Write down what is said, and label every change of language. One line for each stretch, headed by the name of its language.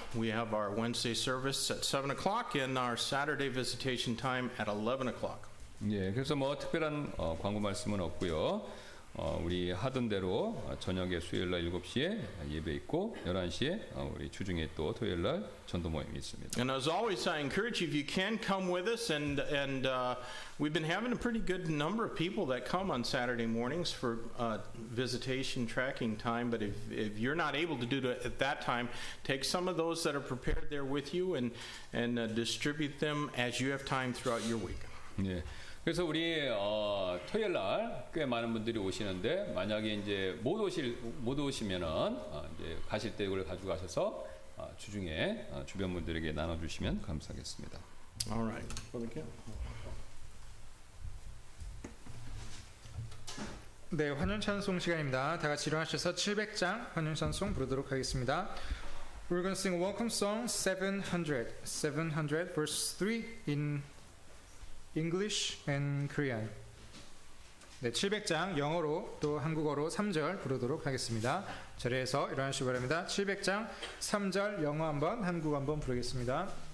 English: We have our Wednesday service at 7 o'clock and our Saturday visitation time at 11 o'clock.
Korean: 예, 그래서 뭐 특별한 광고 말씀은 없고요. 우리 하던 대로 저녁에 수요일날 7시에 예배 있고 11시에 우리 주중에 또 토요일날 전도 모임이 있습니다.
English: And as always, I encourage you, if you can come with us, we've been having a pretty good number of people that come on Saturday mornings for visitation tracking time, but if you're not able to do it at that time, take some of those that are prepared there with you and distribute them as you have time throughout your week.
Korean: 예. 그래서 우리 토요일 날 꽤 많은 분들이 오시는데 만약에 이제 못 오시면은 이제 가실 때 이걸 가지고 가셔서 주중에 주변 분들에게 나눠 주시면 감사하겠습니다.
English: All right. Brother Kim.
Korean: 네, 환영 찬송 시간입니다. 다 같이 일어나셔서 700장 환영 찬송 부르도록 하겠습니다.
English: We're going to sing a welcome song 700 verse 3 in English and Korean.
Korean: 네, 700장 영어로 또 한국어로 3절 부르도록 하겠습니다. 자리에서 일어나시기 바랍니다. 700장 3절 영어 한번 한국어 한번 부르겠습니다.